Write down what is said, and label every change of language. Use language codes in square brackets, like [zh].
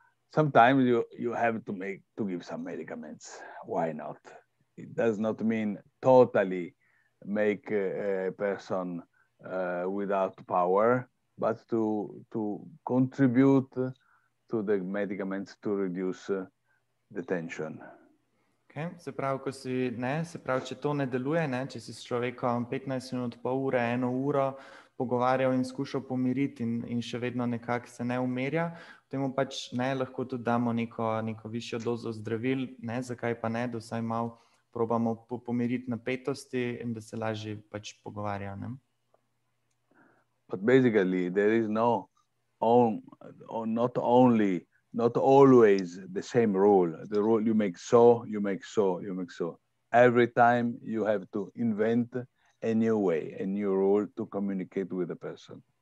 [en] Sometimes you have to make to give some medicaments. Why not? It does not mean totally make a person without power, but to contribute to the medicaments to reduce the tension. Okay. [sl] Se pravi, ko si, ne, se pravi, če to ne deluje, ne, če si s človekom 15 minut, pol ure, eno uro pogovarjal in skušal pomiriti in še vedno nekako se ne umerja, potem pač ne, lahko tudi damo neko višjo dozo zdravil, ne, zakaj pa ne, da vsaj malo probamo pomiriti napetosti in da se lažje pač pogovarja. Ne. [en] But basically, there is no, not only not always the same rule. The rule you make so, you make so, you make so. Every time you have to invent a new way, a new rule to communicate with the person.